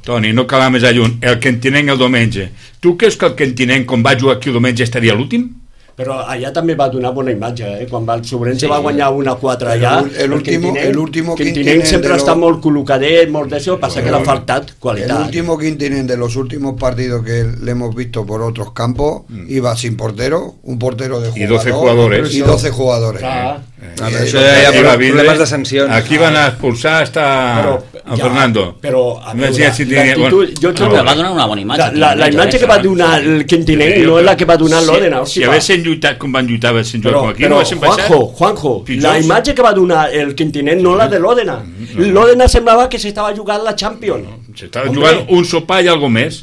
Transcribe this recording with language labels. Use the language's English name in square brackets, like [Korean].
[Catalan] Toni, no cal anar més lluny, el Kentinenc el diumenge, tu creus que el Kentinenc com va jugar aquí el diumenge estaria l'últim? Però allà també va donar bona imatge, quan el Sobrense sí, va guanyar 1-4 allà, [Spanish] el último [Catalan] Kentinenc sempre ha estat molt col·locadet, molt d'això, passa que l'ha faltat qualitat. [Spanish] L'último Kentinenc de los últimos partidos que l'hemos visto por otros campos, iba sin portero, un portero de jugador, y 12 jugadores. Claro. [Catalan] Això ja hi ha problemes de sancions. [Spanish] Aquí van a expulsar hasta a Fernando. [Catalan] Però a veure, si l'actitud, jo trobo que va donar una bona imatge. La imatge que va donar el Kentinenc no és la que va donar l'Òdena. Si haguessin lluitat com van lluitar, haguessin jugat com aquí, no haguessin baixat. Juanjo, la imatge que va donar el Kentinenc no és la de l'Òdena. L'Òdena semblava que s'estava jugant la Champions. S'estava jugant un sopar i alguna més.